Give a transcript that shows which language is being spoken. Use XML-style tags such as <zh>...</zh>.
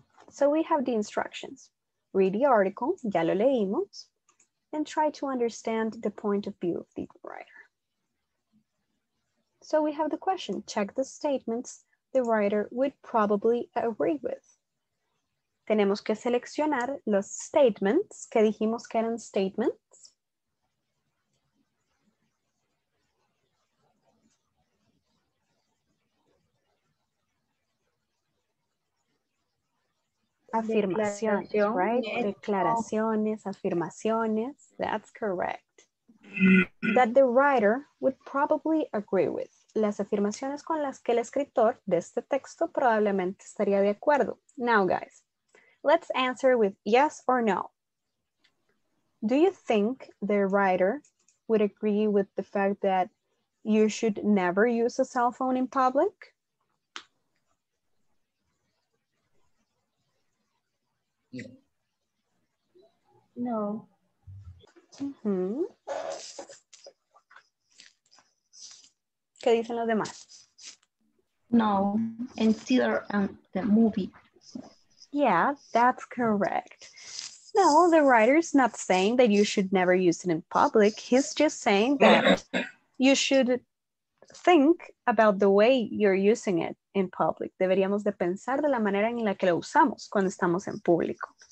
<en>So we have the instructions. Read the article,</en> <es>ya lo leímos.</es> <en>And try to understand the point of view of the writer. So we have the question, check the statements the writer would probably agree with.</en> <es>Tenemos que seleccionar los statements que dijimos que eran statements. Afirmaciones, right? Declaraciones, afirmaciones.</es> <en>That's correct. That the writer would probably agree with.</en> <es>Las afirmaciones con las que el escritor de este texto probablemente estaría de acuerdo.</es> <en>Now, guys, let's answer with yes or no. Do you think the writer would agree with the fact that you should never use a cell phone in public? No. Mm-hmm.</en> <es>¿Qué dicen los demás?</es> <en>No, in theater and the movie. Yeah, that's correct. No, the writer's not saying that you should never use it in public. He's just saying that you should think about the way you're using it in public.</en> <es>Deberíamos de pensar de la manera en la que lo usamos cuando estamos en público.</es>